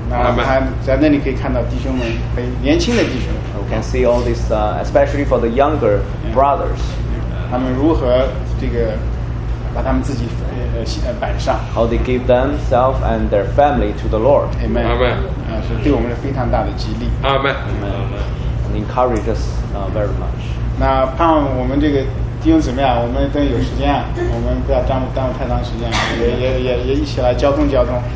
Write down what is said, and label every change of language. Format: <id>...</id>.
<zh>那在那里可以看到弟兄们，很年轻的弟兄。</zh> <en>We can see all this, especially for the younger brothers.</en> <zh>他们如何这个把他们自己摆上</zh> <en>？How they give themselves and their family to the Lord? Amen. Amen.</en> <zh>是对我们是非常大的激励。</zh> <en>Amen. Amen. And encourage us very much.</en> <zh>那盼望我们这个弟兄姊妹啊，我们等有时间啊，我们不要耽误太长时间，也一起来交通交通。</zh>